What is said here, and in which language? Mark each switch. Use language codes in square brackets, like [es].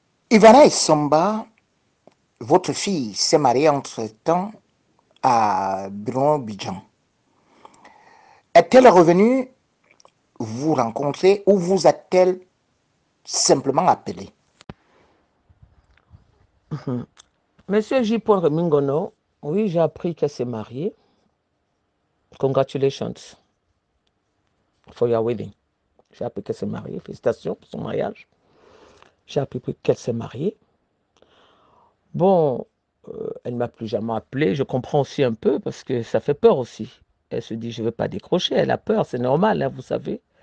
[fr] Ivana Isomba, votre fille s'est mariée entre-temps à Bruno-Abidjan. Est-elle revenue vous rencontrer ou vous a-t-elle simplement appelé? Monsieur Jipo, oui, j'ai appris qu'elle s'est mariée. [en] Congratulations for your wedding. [fr] J'ai appris qu'elle s'est mariée. Félicitations pour son mariage. J'ai appris qu'elle s'est mariée. Bon, elle ne m'a plus jamais appelé. Je comprends aussi un peu parce que ça fait peur aussi. Elle se dit, je ne veux pas décrocher. Elle a peur, c'est normal, hein, vous savez.